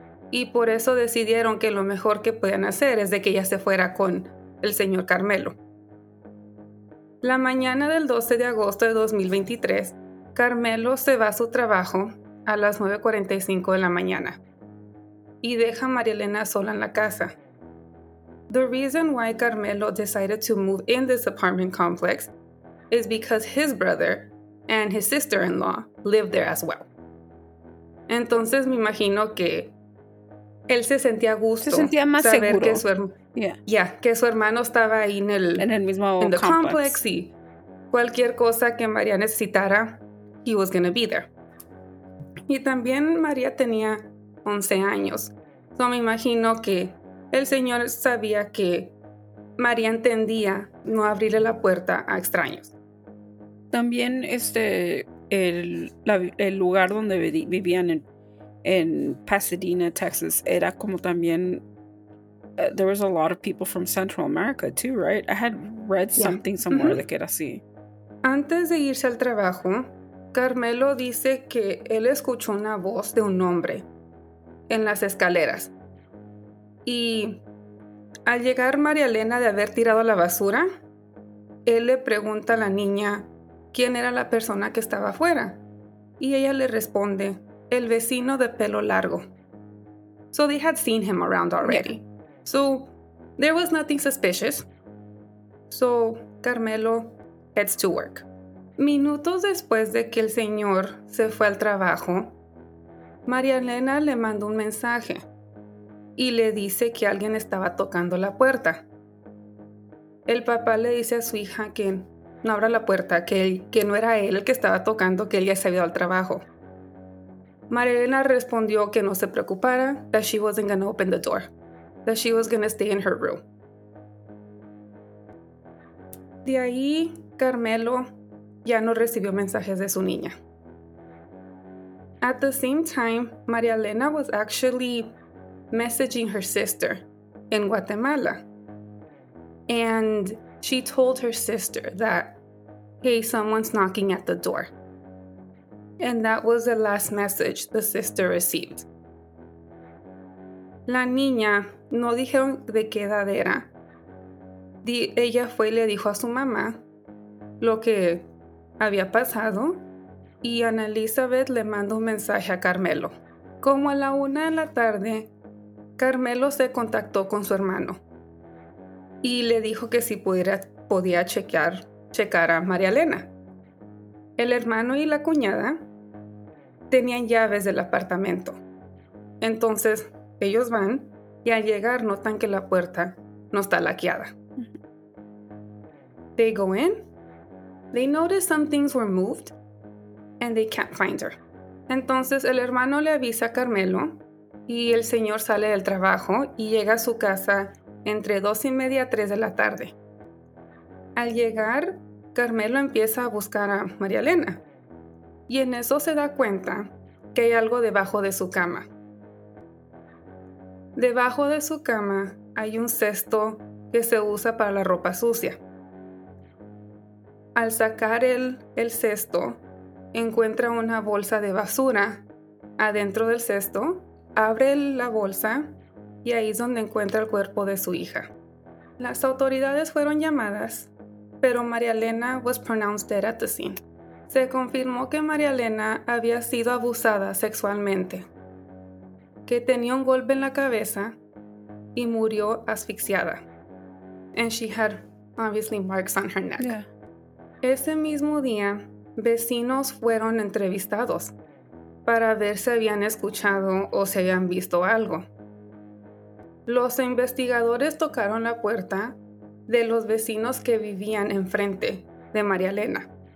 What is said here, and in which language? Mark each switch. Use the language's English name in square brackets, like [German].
[Spanish] Y por eso decidieron que lo mejor que podían hacer es de que ella se fuera con el señor Carmelo. La mañana del 12 de agosto de 2023, Carmelo se va a su trabajo a las 9:45 de la mañana y deja a María Elena sola en la casa. [English] The reason why Carmelo decided to move in this apartment complex is because his brother and his sister-in-law lived there as well. [Spanish] Entonces me imagino que él se sentía a gusto. Se sentía más saber seguro. Que su hermano estaba ahí en el mismo complex. Y cualquier cosa que María necesitara, [English] he was going to be there. [Spanish] Y también María tenía 11 años. So me imagino que el señor sabía que María entendía no abrirle la puerta a extraños. También el lugar donde vivían en Pasadena, Texas, era como también, [English] there was a lot of people from Central America too, right? I had read something somewhere that [Spanish] era así. Antes de irse al trabajo, Carmelo dice que él escuchó una voz de un hombre en las escaleras. Y al llegar María Elena de haber tirado la basura, él le pregunta a la niña quién era la persona que estaba afuera. Y ella le responde, el vecino de pelo largo. [English] So they had seen him around already. Yeah. So there was nothing suspicious. So Carmelo heads to work. [Spanish] Minutos después de que el señor se fue al trabajo, María Elena le manda un mensaje y le dice que alguien estaba tocando la puerta. El papá le dice a su hija que no abra la puerta, que no era él el que estaba tocando, que él ya se había ido al trabajo. María Elena respondió que no se preocupara, [English] that she wasn't going to open the door, that she was going to stay in her room. [Spanish] De ahí, Carmelo ya no recibió mensajes de su niña. [English] At the same time, María Elena was actually messaging her sister in Guatemala. And she told her sister that, hey, someone's knocking at the door. And that was the last message the sister received. [Spanish] La niña, no dijeron de qué edad era. Ella fue y le dijo a su mamá lo que había pasado. Y Ana Elizabeth le mandó un mensaje a Carmelo. Como a la 1:00 p.m, Carmelo se contactó con su hermano. Y le dijo que si pudiera, podía checar a María Elena. El hermano y la cuñada tenían llaves del apartamento. Entonces, ellos van y al llegar notan que la puerta no está laqueada. [English] They go in. They notice some things were moved and they can't find her. [Spanish] Entonces, el hermano le avisa a Carmelo y el señor sale del trabajo y llega a su casa entre 2:30 a 3:00 p.m. Al llegar, Carmelo empieza a buscar a María Elena. Y en eso se da cuenta que hay algo debajo de su cama. Debajo de su cama hay un cesto que se usa para la ropa sucia. Al sacar el cesto, encuentra una bolsa de basura adentro del cesto, abre la bolsa y ahí es donde encuentra el cuerpo de su hija. Las autoridades fueron llamadas, pero María Elena [English] was pronounced dead at the scene. [Spanish] Se confirmó que María Elena había sido abusada sexualmente, que tenía un golpe en la cabeza y murió asfixiada. [English] And she had obviously marks on her neck. Yeah. [Spanish] Ese mismo día, vecinos fueron entrevistados para ver si habían escuchado o si habían visto algo. Los investigadores tocaron la puerta de los vecinos que vivían enfrente de María Elena.